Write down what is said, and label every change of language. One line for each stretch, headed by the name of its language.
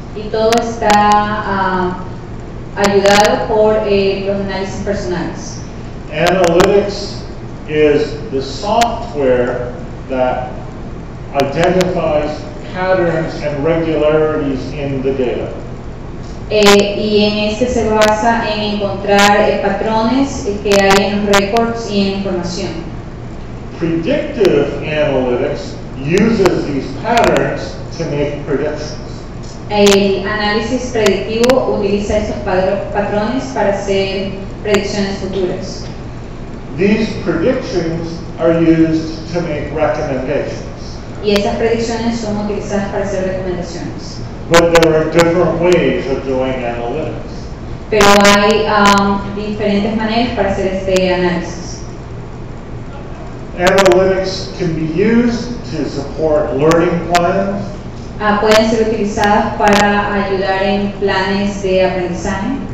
Spanish: Y todo está ayudado por los análisis personales.
English: Analytics is the software that identifies patterns and regularities in the data.
Spanish: Y en este se basa en encontrar patrones que hay en los records y en información.
English: Predictive analytics uses these patterns to make predictions.
Spanish: El análisis predictivo utiliza estos patrones para hacer predicciones futuras.
English: These predictions are used to make recommendations.
Spanish: Y estas predicciones son utilizadas para hacer recomendaciones.
English: But there are different ways of doing analytics.
Spanish: Pero hay diferentes maneras para hacer este análisis.
English: Analytics can be used to support learning plans.
Spanish: Pueden ser utilizadas para ayudar en planes de aprendizaje.